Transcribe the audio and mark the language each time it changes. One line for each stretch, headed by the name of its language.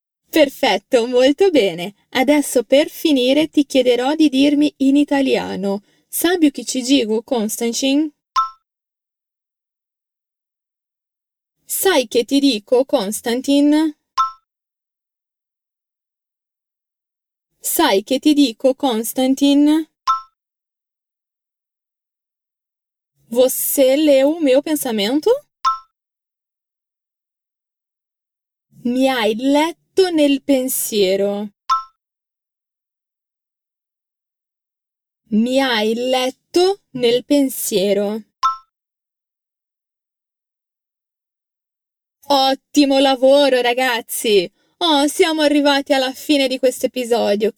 Italian: Perfetto, molto bene. Adesso per finire ti chiederò di dirmi in italiano:
Portuguese: sabe o che ci digo,
Italian: Constantin? Sai che ti dico, Constantin? Sai che ti dico, Constantin?
Portuguese: Você leu o meu pensamento?
Italian: Mi hai letto nel pensiero. Mi hai letto nel pensiero. Ottimo lavoro, ragazzi! Oh, siamo arrivati alla fine di questo episodio.